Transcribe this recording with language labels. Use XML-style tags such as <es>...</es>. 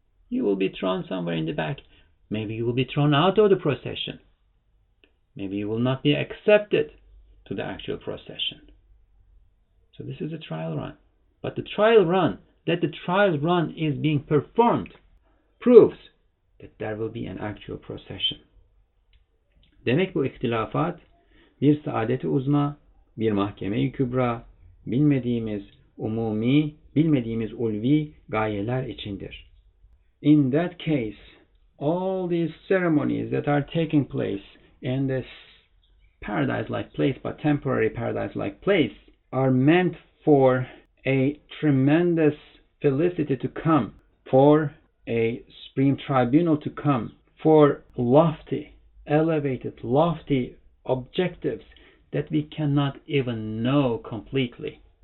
<en>You will be thrown somewhere in the back. Maybe you will be thrown out of the procession. Maybe you will not be accepted to the actual procession. So this is a trial run. But the trial run, that the trial run is being performed, proves that there will be an actual procession.</en> <tr>Demek bu ihtilafat, bir saadet-i uzma, bir mahkeme-i kübra, bilmediğimiz umumi, bilmediğimiz ulvi gayeler içindir.</tr> <en>In that case, all these ceremonies that are taking place in this paradise-like place, but temporary paradise-like place, are meant for a tremendous felicity to come, for a supreme tribunal to come, for lofty, elevated, lofty objectives that we cannot even know completely.</en>